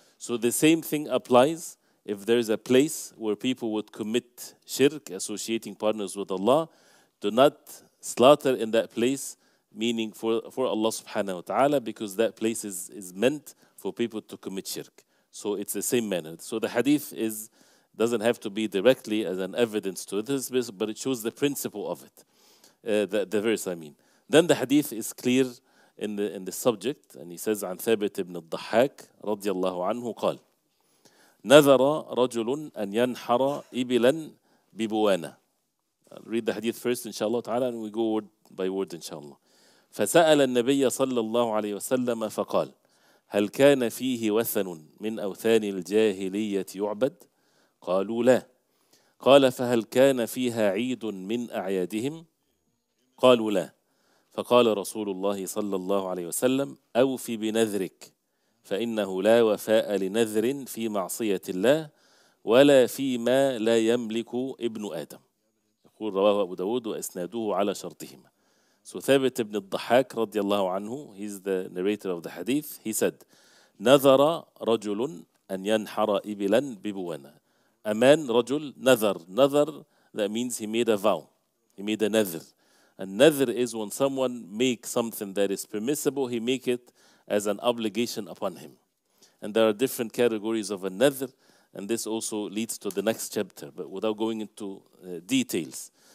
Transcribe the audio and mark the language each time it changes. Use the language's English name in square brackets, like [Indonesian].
[English] So the same thing applies if there is a place where people would commit shirk, associating partners with Allah, do not slaughter in that place, meaning for Allah subhanahu wa ta'ala, because that place is meant for people to commit shirk. So it's the same manner. So the hadith is doesn't have to be directly as an evidence to this, but it shows the principle of it, the verse, I mean. Then the hadith is clear in the subject, and he says, [Arabic] عن ثابت بن الضحاك رضي الله عنه قال نذر رجل أن ينحر إبلا ببوانا. [English] I'll read the hadith first, inshallah ta'ala, and we go word by word, inshallah. [Arabic] فسأل النبي صلى الله عليه وسلم فقال هل كان فيه وثن من أوثان الجاهلية يعبد؟ قالوا لا. قال فهل كان فيها عيد من أعيادهم؟ قالوا لا. فقال رسول الله صلى الله عليه وسلم أوفي بنذرك فإنه لا وفاء لنذر في معصية الله ولا فيما لا يملك ابن آدم. يقول رواه أبو داود وإسناده على شرطهما. So ثابت بن الضحاك رضي الله عنه, [English] he's the narrator of the hadith, he said, [Arabic] نذر رجل أن ينحر إبلا ببوانا. [English] A man, رجل, نذر. نذر, that means he made a vow. He made a نذر. A نذر is when someone makes something that is permissible, he make it as an obligation upon him. And there are different categories of a نذر, and this also leads to the next chapter, but without going into details.